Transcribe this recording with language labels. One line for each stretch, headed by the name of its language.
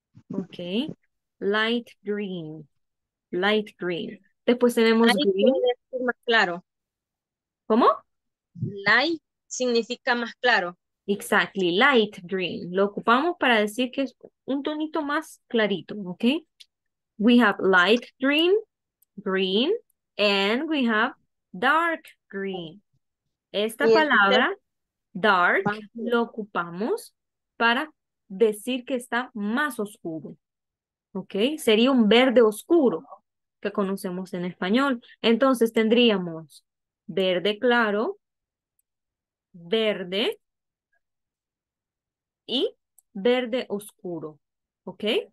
English: Ok. Light green. Light green.
Spanish: Después tenemos light green. Es más claro. ¿Cómo? Light significa más claro.
English: Exactly. Light green.
Spanish: Lo ocupamos para decir que es un tonito más clarito. Ok.
English: We have light green, green, and we have dark green.
Spanish: Esta palabra, dark, lo ocupamos para decir que está más oscuro. ¿Ok? Sería un verde oscuro que conocemos en español. Entonces tendríamos verde claro, verde y verde oscuro. ¿Ok?